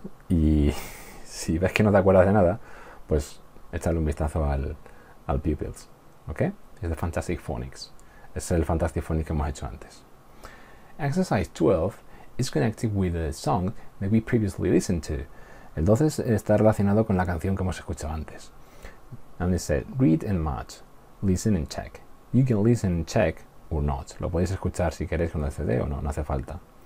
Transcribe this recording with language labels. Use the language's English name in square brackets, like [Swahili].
[Spanish] Y si ves que no te acuerdas de nada, pues échale un vistazo al pupils. ¿Ok? Es el fantastic phonics. Es el fantastic phonics que hemos hecho antes. [English] Exercise 12 is connected with a song that we previously listened to. [Spanish] El 12 está relacionado con la canción que hemos escuchado antes. [English] And they said, read and match, listen and check. You can listen and check or not. [Spanish] Lo podéis escuchar si queréis con el CD o no, no hace falta.